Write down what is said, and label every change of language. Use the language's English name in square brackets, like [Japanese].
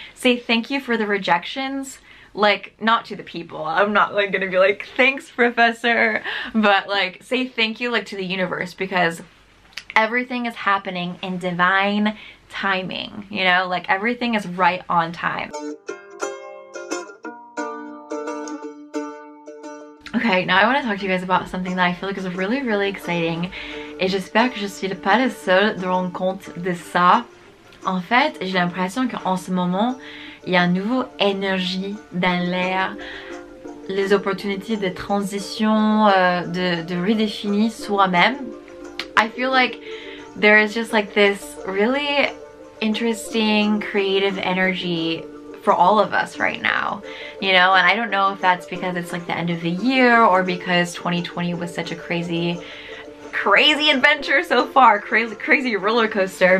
[English] Say thank you for the rejections. Like, not to the people, I'm not like gonna be like, thanks professor, but like say thank you like to the universe, because everything is happening in divine timing, you know, like everything is right on time. Okay, now I want to talk to you guys about something that I feel like is really, really exciting. [French] Et j'espère que je suis pas la seule de rendre compte de ça. En fait, j'ai l'impression qu'en ce moment, il y a une nouvelle énergie dans l'air. Les opportunités de transition, de redéfinir soi-même. [English] I feel like there is just like this really interesting creative energy for all of us right now. You know, and I don't know if that's because it's like the end of the year or because 2020 was such a crazy adventure so far, crazy roller coaster.